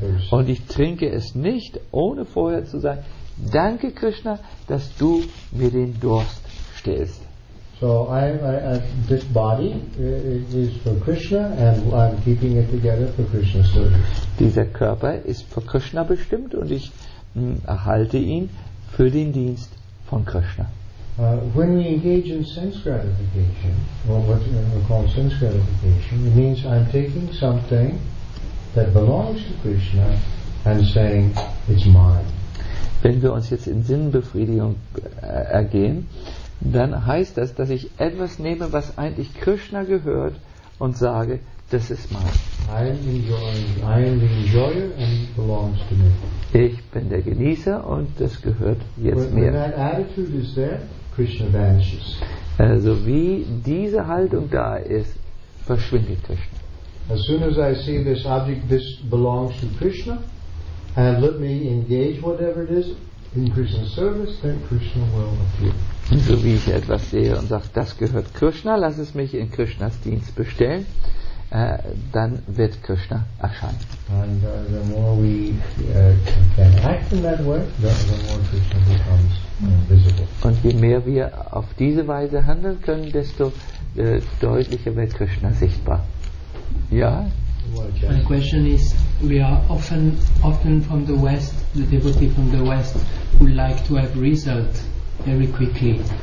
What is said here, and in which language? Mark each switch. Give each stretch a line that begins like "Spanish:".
German: Und ich trinke es nicht, ohne vorher zu sagen, danke Krishna, dass du mir den Durst stillst.
English: So, this body is for Krishna and I'm keeping it together for Krishna's service.
German: Dieser Körper ist für Krishna bestimmt und ich erhalte ihn für den Dienst von Krishna.
English: When we engage in sense gratification, or what we call sense gratification, it means I'm taking something that belongs to Krishna and saying it's mine.
German: Wenn wir uns jetzt in Sinnbefriedigung ergehen, dann heißt das, dass ich etwas nehme, was eigentlich Krishna gehört, und sage, das ist mein.
English: I am the enjoyer and it belongs to me.
German: Ich bin der Genießer und das gehört jetzt
English: when
German: mir.
English: When that attitude is there, Krishna vanishes.
German: Also wie diese Haltung da ist, verschwindet Krishna.
English: As soon as I see this object, this belongs to Krishna, and let me engage whatever it is in Krishna's service, then Krishna will appear.
German: So wie ich etwas sehe und sage, das gehört Krishna, lass es mich in Krishnas Dienst bestellen, dann wird Krishna erscheinen.
English: And the more we can act in that way, the more Krishna becomes visible.
German: Und je mehr wir auf diese Weise handeln können, desto deutlicher wird Krishna sichtbar. Ja?
English: My question is, we are often from the West, the devotee from the West, who like to have result very quickly.